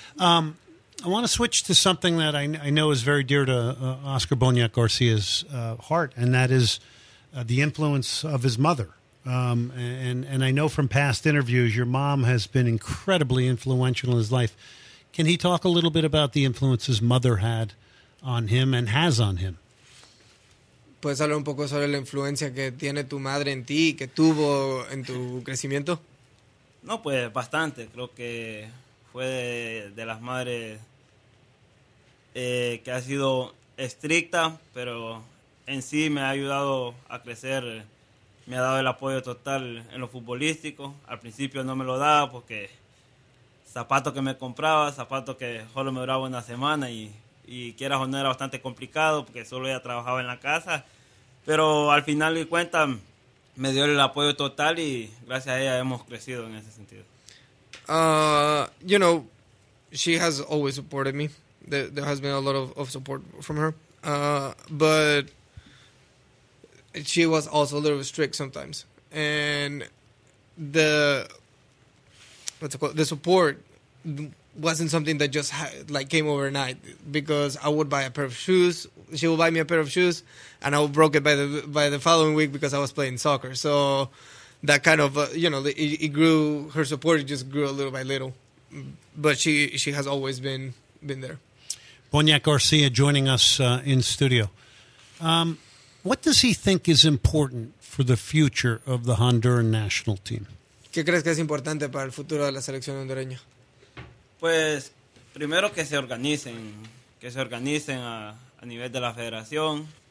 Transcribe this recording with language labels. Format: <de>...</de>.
<en>I want to switch to something that I know is very dear to Oscar Bonilla Garcia's heart, and that is the influence of his mother. And I know from past interviews, your mom has been incredibly influential in his life. Can he talk a little bit about the influence his mother had on him and has on him?</en> <es>¿Puedes hablar un poco sobre la influencia que tiene tu madre en ti, que tuvo en tu crecimiento? No, pues bastante. Creo que fue de las madres que ha sido estricta, pero en sí me ha ayudado a crecer. Me ha dado el apoyo total en lo futbolístico. Al principio no me lo daba porque zapatos que me compraba, zapatos que solo me duraba una semana y y quieras o no era bastante complicado porque solo ella trabajaba en la casa, pero al final de cuentas me dio el apoyo total y gracias a ella hemos crecido en ese sentido.</es> <en>You know, she has always supported me. There has been a lot of support from her, but she was also a little strict sometimes, and the support wasn't something that just came overnight, because I would buy a pair of shoes, she would buy me a pair of shoes, and I would broke it by the following week because I was playing soccer. So that kind of it grew, her support just grew a little by little, but she has always been there. Bonya Garcia joining us in studio. What does he think is important for the future of the Honduran national team?</en> <es>¿Qué crees que es importante para el futuro de la selección hondureña? Pues, primero que se organicen a nivel de la federación.</es>